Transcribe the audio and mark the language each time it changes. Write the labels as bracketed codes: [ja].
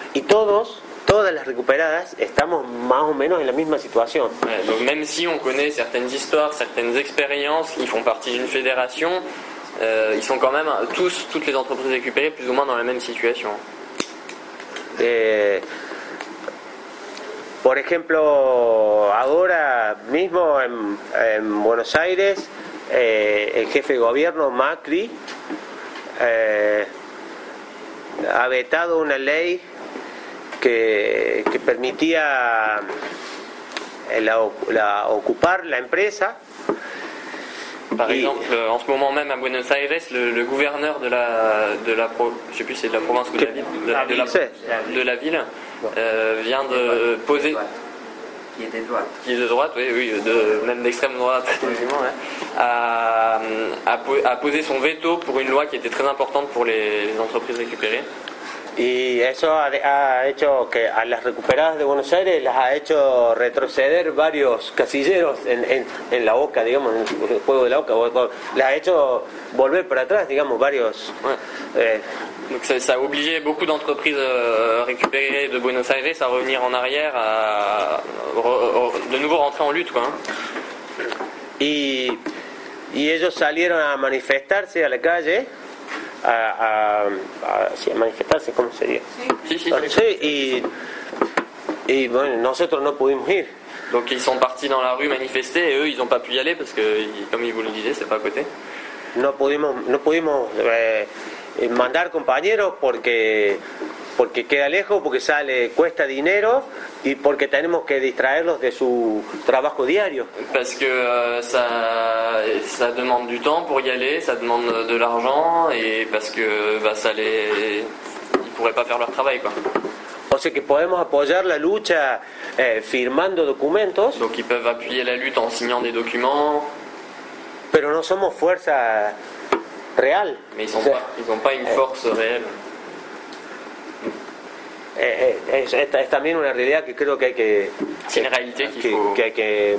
[es] Y todas las recuperadas estamos más o menos en la misma situación. [fr] Ouais, donc même si on connaît certaines histoires, certaines expériences qui font partie d'une fédération, ils sont quand même toutes les entreprises récupérées plus ou moins dans la même situation. [es] Por ejemplo, ahora mismo en Buenos Aires, el jefe de gobierno Macri ha vetado una ley que permitía la ocupar la empresa. [fr] Par exemple, en ce moment même à Buenos Aires, le gouverneur de la ville vient de poser, qui est de droite, d'extrême droite, a posé son veto pour une loi qui était très importante pour les entreprises récupérées. [es] Et eso ha hecho que a las recuperadas de Buenos Aires las ha hecho retroceder varios casilleros en la OCA, digamos, en el juego de la OCA, las ha hecho volver para atrás, digamos, varios. [fr] Ouais. Donc ça a obligé beaucoup d'entreprises récupérées de Buenos Aires à revenir en arrière, à de nouveau rentrer en lutte, quoi. [es] Y ellos salieron a manifestarse a la calle. A manifestarse, ¿cómo sería? Sí, y bueno, nosotros no pudimos ir. [fr] Donc ils sont partis dans la rue manifester et eux ils ont pas pu y aller parce que comme ils vous le disaient, c'est pas à côté. [es] No pudimos mandar compañeros porque queda lejos, porque sale, cuesta dinero y porque tenemos que distraerlos de su trabajo diario. [fr] Parce que ça demande du temps pour y aller, ça demande de l'argent et parce que ils pourraient pas faire leur travail, quoi. [es] O sea que podemos apoyar la lucha firmando documentos. [fr] Donc ils peuvent appuyer la lutte en signant des documents. [es] Pero no somos fuerza real. [fr] Mais ils ont pas une force réelle. [es] Es también una realidad que creo que hay que